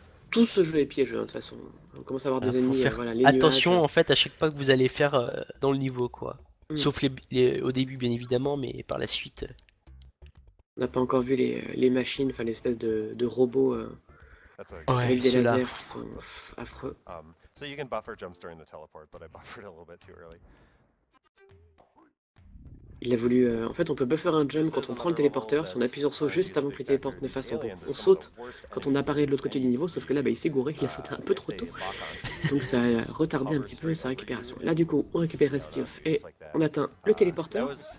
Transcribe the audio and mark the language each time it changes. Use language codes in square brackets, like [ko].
[fr] Tout ce jeu est piégeux, hein, de toute façon. On commence à avoir des ennemis, voilà, les attention, nuages. En fait, à chaque pas que vous allez faire dans le niveau, quoi. Mm. Sauf les au début, bien évidemment, mais par la suite. On n'a pas encore vu les machines, enfin l'espèce de robot avec des lasers qui sont affreux. [en] So you can buffer jumps during the teleport, but I buffered a little bit too early. [fr] Il a voulu. En fait, on peut buffer un jump quand on prend le téléporteur. Si on appuie sur saut juste avant que les téléportes ne fassent bon. On saute quand on apparaît de l'autre côté du niveau, sauf que là, bah, il s'est gouré, il a sauté un peu trop tôt. Donc ça a retardé un petit peu sa récupération. Là, du coup, on récupère Restiff et on atteint le téléporteur.